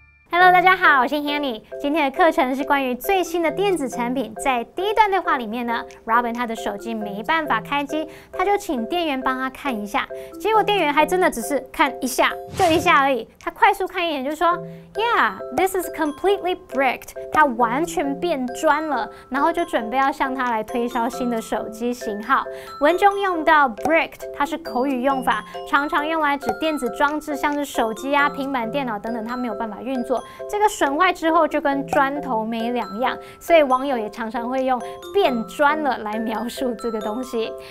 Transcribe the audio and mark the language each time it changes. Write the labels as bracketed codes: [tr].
[en] Hello, [zh] 大家好，我是 Hanny。今天的课程是关于最新的电子产品。在第一段对话里面呢 ，Robin 他的手机没办法开机，他就请店员帮他看一下。结果店员还真的只是看一下，就一下而已。他快速看一眼就说 ， [en] Yeah, this is completely bricked。 [zh] 他完全变砖了，然后就准备要向他来推销新的手机型号。文中用到 bricked， 它是口语用法，常常用来指电子装置，像是手机啊、平板电脑等等，它没有办法运作。这个损坏之后就跟砖头没两样，所以网友也常常会用变砖了来描述这个东西。